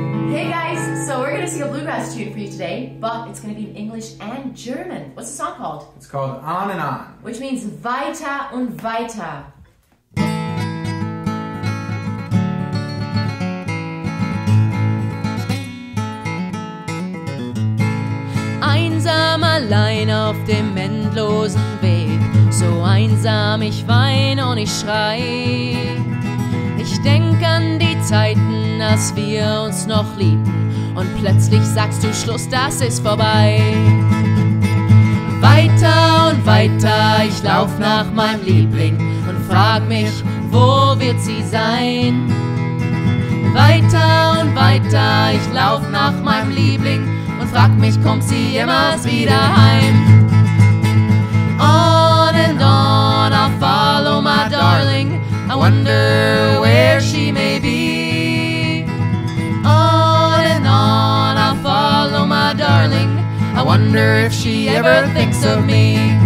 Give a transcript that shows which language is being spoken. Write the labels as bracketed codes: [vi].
[en] Hey guys, so we're gonna sing a bluegrass tune for you today, but it's gonna be in English and German. What's the song called? It's called On and On. Which means [de] weiter und weiter. Einsam allein auf dem endlosen Weg, so einsam ich weine und ich schrei. Ich denk an die Zeiten, dass wir uns noch liebten, und plötzlich sagst du Schluss, das ist vorbei. Weiter und weiter, ich lauf nach meinem Liebling und frag mich, wo wird sie sein? Weiter und weiter, ich lauf nach meinem Liebling und frag mich, kommt sie jemals wieder heim? [en] On and on, I follow my darling, I wonder where she may be. On and on, I follow my darling, I wonder if she ever thinks of me.